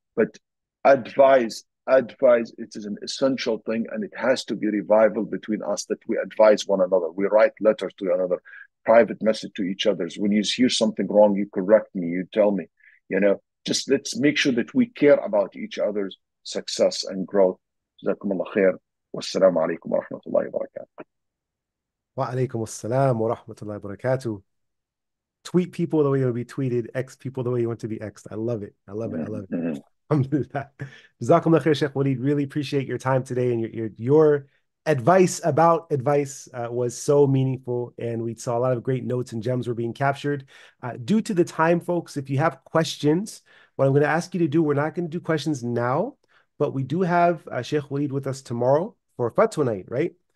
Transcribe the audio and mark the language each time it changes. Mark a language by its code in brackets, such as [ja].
[en] But advice, it is an essential thing, and it has to be revival between us, that we advise one another. We write letters to one another, private message to each other. When you hear something wrong, you correct me, you tell me, you know, just let's make sure that we care about each other's success and growth. [ar] جزاكم الله خير, والسلام عليكم ورحمة الله وبركاته. وعليكم السلام ورحمة الله وبركاته. [en] Tweet people the way you want to be tweeted. X people the way you want to be X'd. I love it. I love it. I love it. Jazakum Allah khair, Sheikh Waleed. Really appreciate your time today, and your advice about advice was so meaningful. And we saw a lot of great notes and gems were being captured. Due to the time, folks, if you have questions, what I'm going to ask you to do, we're not going to do questions now, but we do have Sheikh Waleed with us tomorrow for Fatwa night, right?